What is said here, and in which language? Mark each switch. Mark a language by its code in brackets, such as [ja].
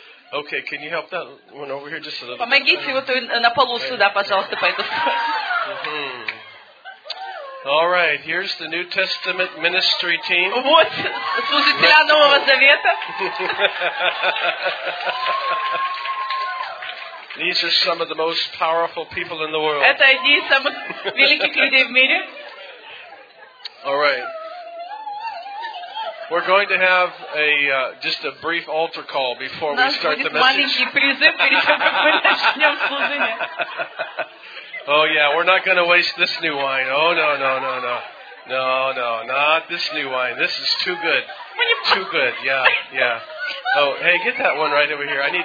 [en] Okay, can you help that one over here just a little? [ru] Помогите вот на полу сюда, пожалуйста, по эту сторону. [en] All right, here's the New Testament ministry team. [ru] Вот служителя Нового Завета. [en] These are some of the most powerful people in the world. [ru] Это одни из самых великих людей в мире. [en] All right. We're going to have a just a brief altar call before we start the message. [ru] Маленький призыв перед тем, как мы начнем служение. [en] Oh yeah, we're not going to waste this new wine. Oh no, no, no, no. No, no, not this new wine. This is too good. Too good, yeah, yeah. Oh, hey, get that one right over here.